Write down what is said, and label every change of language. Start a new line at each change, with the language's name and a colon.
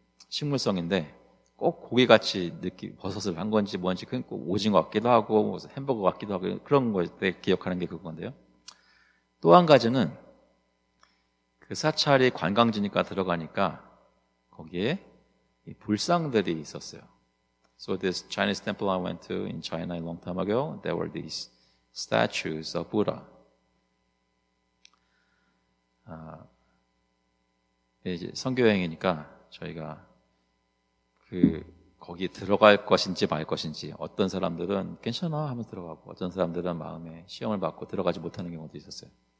Korean: 식물성인데 꼭 고기같이 느낌, 버섯을 한 건지 뭔지 오징어 같기도 하고 햄버거 같기도 하고 그런 걸 때 기억하는 게 그건데요. 또 한 가지는 그 사찰이 관광지니까 들어가니까 거기에 이 불상들이 있었어요.
English: So this Chinese temple I went to in China a long time ago, there were these statues of Buddha.
Korean: 이제 선교여행이니까 저희가 거기 들어갈 것인지 말 것인지 어떤 사람들은 괜찮아 하면 들어가고 어떤 사람들은 마음에 시험을 받고 들어가지 못하는 경우도 있었어요.